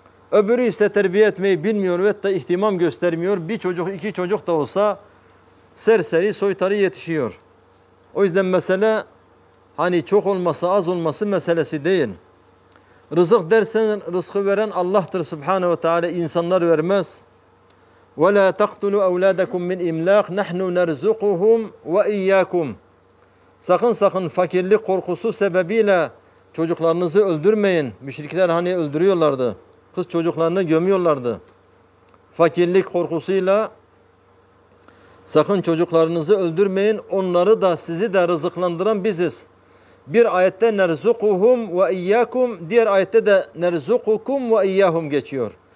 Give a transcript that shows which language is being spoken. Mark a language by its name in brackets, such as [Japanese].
[Turkish] Öbürü ise terbiye etmeyi bilmiyor ve hatta ihtimam göstermiyor. Bir çocuk, iki çocuk da olsa serseri, soytarı yetişiyor. O yüzden mesele hani çok olması, az olması meselesi değil. Rızık dersen rızkı veren Allah'tır Subhanehu ve Teala. İnsanlar vermez. [Arabic] وَلَا تَقْتُلُوا أَوْلَادَكُمْ مِنْ اِمْلَاقِ نَحْنُ نَرْزُقُهُمْ وَاِيَّاكُمْ [Turkish] Sakın sakın fakirlik korkusu sebebiyle çocuklarınızı öldürmeyin. Müşrikler hani öldürüyorlardı. Kız çocuklarını gömüyorlardı. Fakirlik korkusuyla sakın çocuklarınızı öldürmeyin. Onları da sizi de rızıklandıran biziz. Bir ayette nerzukuhum ve iyyakum, diğer ayette de nerzukukum ve iyyahum geçiyor.